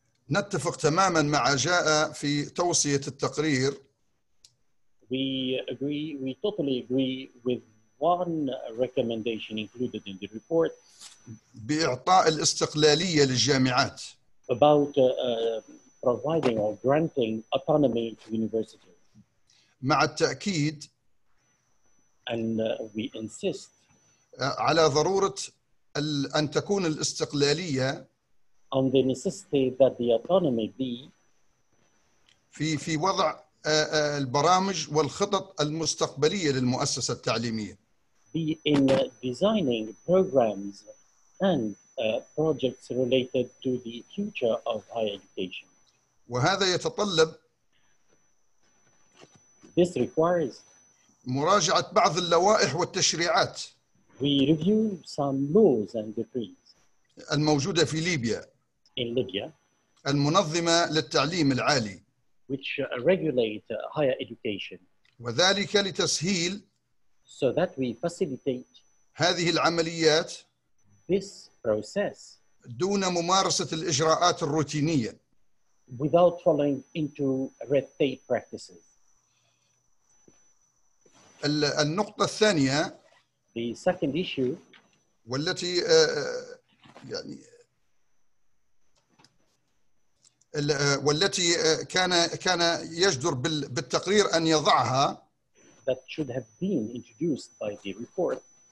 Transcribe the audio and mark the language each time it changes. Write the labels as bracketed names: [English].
[Arabic] نتفق تماما مع جاء في توصية التقرير [English] we totally agree with one recommendation included in the report [Arabic] بإعطاء الاستقلالية للجامعات [English] about providing or granting autonomy to universities [Arabic] مع التأكيد [English] and we insist [Arabic] على ضرورة أن تكون الاستقلالية [English] on the necessity that the autonomy be [Arabic] في وضع البرامج والخطط المستقبلية للمؤسسة التعليمية [English] be in designing programs and projects related to the future of higher education [Arabic] وهذا يتطلب [English] this requires [Arabic] مراجعة بعض اللوائح والتشريعات [English] We review some laws and decrees. [Arabic] الموجودة في ليبيا. [English] In Libya. [Arabic] المنظمة للتعليم العالي. [English] Which regulate higher education. [Arabic] وذلك لتسهيل. [English] So that we facilitate. [Arabic] هذه العمليات. [English] This process. [Arabic] دون ممارسة الإجراءات الروتينية. [English] Without falling into red tape practices. [Arabic] النقطة الثانية. [English] The second issue [Arabic] والتي يعني والتي كان يجدر بالتقرير أن يضعها [English] that should have been introduced by the report